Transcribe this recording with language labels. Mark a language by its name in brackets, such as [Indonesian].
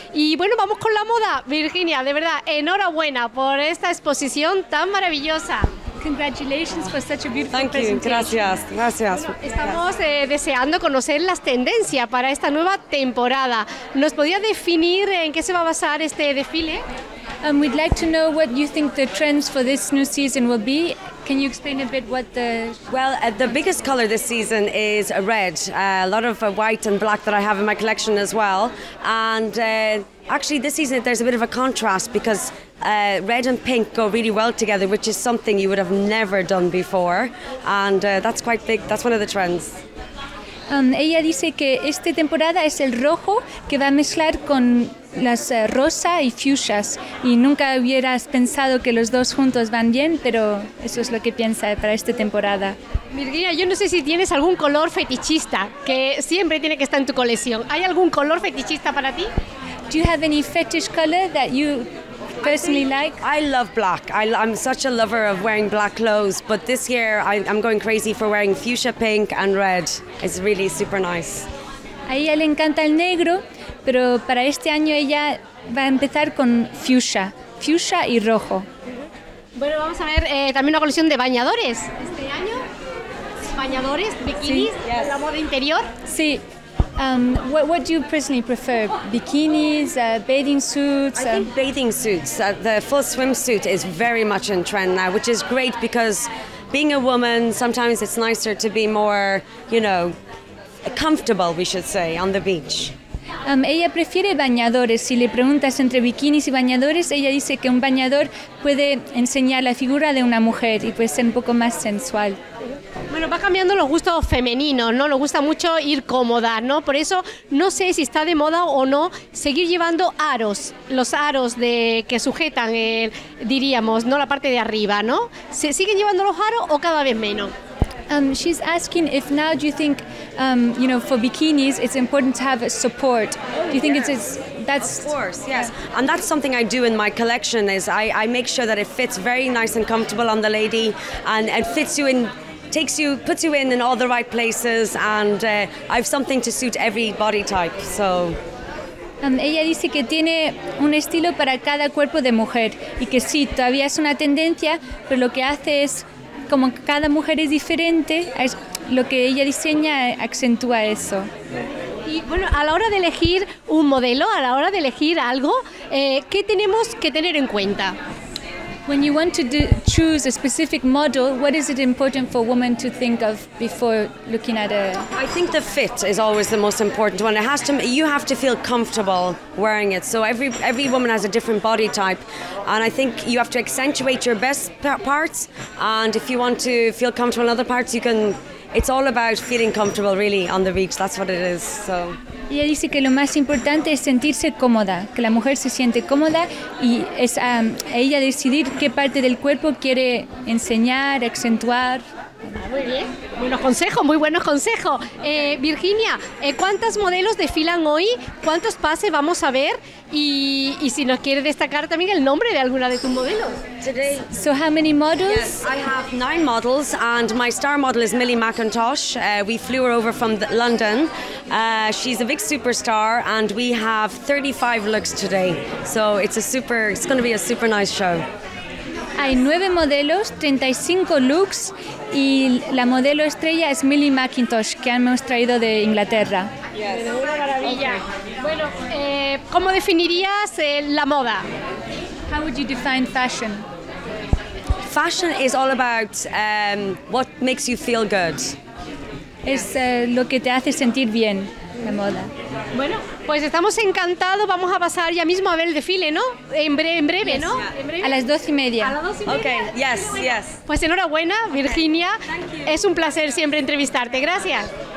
[Spanish] Y bueno, vamos con la moda. Virginia, de verdad, enhorabuena por esta exposición tan maravillosa. [English] Congratulations for such a beautiful Thank presentation. You. [Spanish] Gracias, gracias. Bueno, estamos deseando conocer las tendencias para esta nueva temporada. ¿Nos podría definir en qué se va a basar este desfile? [English] We'd like to know what you think the trends for this new season will be. Can you explain a bit what the... Well, the biggest color this season is red. A lot of white and black that I have in my collection as well. And actually this season there's a bit of a contrast because red and pink go really well together, which is something you would have never done before. And that's quite big. That's one of the trends. [Spanish] Ella dice que esta temporada es el rojo que va a mezclar con las rosa y fuchsias, y nunca hubieras pensado que los dos juntos van bien, pero eso es lo que piensa para esta temporada. Virginia, yo no sé si tienes algún color fetichista que siempre tiene que estar en tu colección. ¿Hay algún color fetichista para ti? [English] Do you have any fetish color that you personally like? I love black. I'm such a lover of wearing black clothes, but this year I'm going crazy for wearing fuchsia pink and red. It's really super nice. [Spanish] A ella le encanta el negro, pero para este año ella va a empezar con fuchsia, fuchsia y rojo. Bueno, vamos a ver también una colección de bañadores este año. Bañadores, bikinis, sí. La moda interior. Sí. [English] What do you personally prefer? Bikinis, bathing suits? I think bathing suits. The full swimsuit is very much in trend now, which is great because being a woman, sometimes it's nicer to be more, you know, comfortable, we should say, on the beach. [Spanish] Ella prefiere bañadores. Si le preguntas entre bikinis y bañadores, ella dice que un bañador puede enseñar la figura de una mujer y puede ser un poco más sensual. Bueno, va cambiando los gustos femeninos, ¿no? Nos gusta mucho ir cómoda, ¿no? Por eso no sé si está de moda o no seguir llevando aros, los aros de que sujetan, diríamos, ¿no? La parte de arriba, ¿no? ¿Se siguen llevando los aros o cada vez menos? [English] She's asking if now do you think, you know, for bikinis it's important to have a support. Do you think it's that's... Of course, yes. Yeah. And that's something I do in my collection is I make sure that it fits very nice and comfortable on the lady and it fits you in... takes you, puts you in all the right places, and I have something to suit every body type, so... [Spanish] Ella dice que tiene un estilo para cada cuerpo de mujer, y que sí, todavía es una tendencia, pero lo que hace es, como cada mujer es diferente, es lo que ella diseña acentúa eso. Y bueno, a la hora de elegir un modelo, a la hora de elegir algo, ¿qué tenemos que tener en cuenta? [English] When you want to choose a specific model, what is it important for a woman to think of before looking at a... I think the fit is always the most important one. It has to, you have to feel comfortable wearing it. So every woman has a different body type. And I think you have to accentuate your best parts. And if you want to feel comfortable in other parts, you can... It's all about feeling comfortable, really, on the beach. That's what it is, so... [Spanish] Ella dice que lo más importante es sentirse cómoda, que la mujer se siente cómoda y es ella decidir qué parte del cuerpo quiere enseñar, acentuar. Muy bien, buenos consejos, muy buenos consejos. Virginia, ¿cuántas modelos desfilan hoy? ¿Cuántos pases vamos a ver? Y si nos quieres destacar también el nombre de alguna de tus modelos. [English] So how many models? Yes, I have 9 models and my star model is Millie McIntosh. We flew her over from London. She's a big superstar and we have 35 looks today. So it's going to be a super nice show. [Spanish] Hay 9 modelos, 35 looks y la modelo estrella es Millie McIntosh, que hemos traído de Inglaterra. [English] Yes. [Spanish] Una maravilla. Bueno, ¿cómo definirías la moda? [English] How would you define fashion? Fashion is all about what makes you feel good. [Spanish] Es lo que te hace sentir bien, la moda. Bueno, pues estamos encantados, vamos a pasar ya mismo a ver el desfile, ¿no? En breve, [English] yes, [Spanish] ¿no? [English] Yeah. [Spanish] En breve. A las 12:30. A las 12:30. [English] Okay, yes, [Spanish] bueno. [English] Yes. [Spanish] Pues enhorabuena, Virginia. Okay. Es un placer siempre entrevistarte. Gracias.